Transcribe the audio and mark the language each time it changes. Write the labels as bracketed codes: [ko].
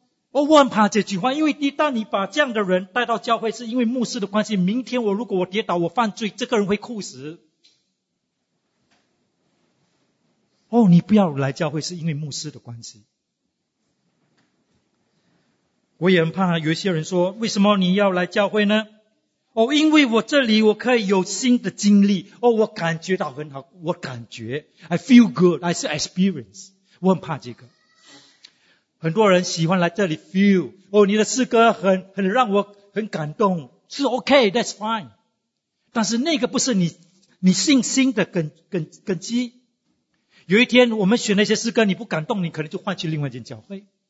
[zh] 哦，我很怕这句话，因为一旦你把这样的人带到教会是因为牧师的关系，明天如果我跌倒我犯罪，这个人会哭死。哦，你不要来教会是因为牧师的关系。我也很怕有一些人说，为什么你要来教会呢？哦，因为我这里我可以有新的经历。哦，我感觉到很好，我感觉 [en] I feel good, I see experience。 [zh] 我很怕这个。很多人喜欢来这里 feel, 哦，你的诗歌很让我很感动，是 [en] OK, that's fine, [zh] 但是那个不是你信心的根基。有一天我们选那些诗歌你不感动，你可能就换去另外一间教会。